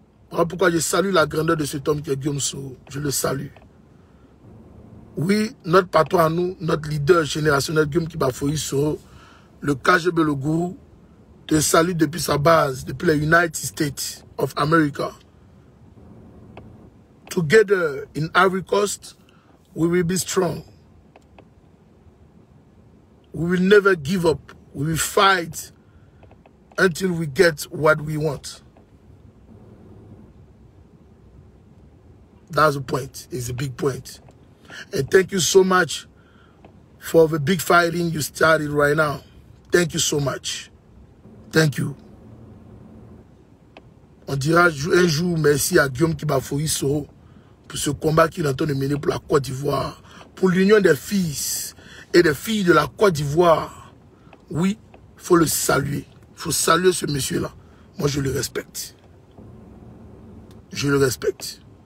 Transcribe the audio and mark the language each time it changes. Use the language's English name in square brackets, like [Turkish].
[French] Voilà pourquoi je salue la grandeur de cet homme qui est Guillaume Soro. Je le salue. Oui, notre patron à nous, notre leader générationnel Guillaume Kibafori Soro, le KGB, le gourou, te salue depuis sa base, depuis les United States of America. [English] Together in Ivory Coast, we will be strong. We will never give up. We will fight until we get what we want. That's a point. It's a big point. And thank you so much for the big fighting you started right now. Thank you so much. Thank you. [French] On dira un jour merci à Guillaume Kibafori Soro pour ce combat qu'il est en train de mener pour la Côte d'Ivoire, pour l'union des fils et des filles de la Côte d'Ivoire. Oui, faut le saluer. Faut saluer ce monsieur-là. Moi, je le respecte. Je le respecte.